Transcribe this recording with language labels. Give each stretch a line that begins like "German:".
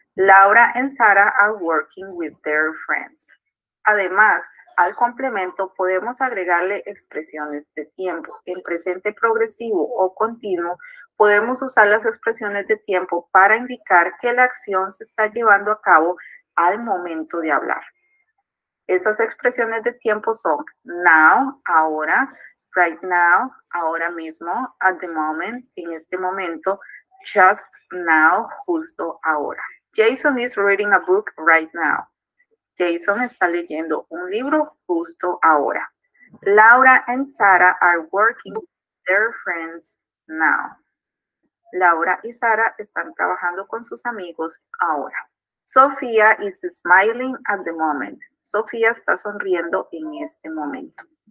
English: Laura and Sarah are working with their friends.
Spanish: Además, al complemento podemos agregarle expresiones de tiempo. En presente progresivo o continuo, podemos usar las expresiones de tiempo para indicar que la acción se está llevando a cabo al momento de hablar. Esas expresiones de tiempo son now, ahora, right now, ahora mismo, at the moment, en este momento, just now, justo ahora.
English: Jason is reading a book right now. Jason está leyendo un libro justo ahora. Laura and Sara are working with their friends now.
Spanish: Laura y Sara están trabajando con sus amigos ahora.
English: Sofía is smiling at the moment. Sofía está sonriendo en este momento.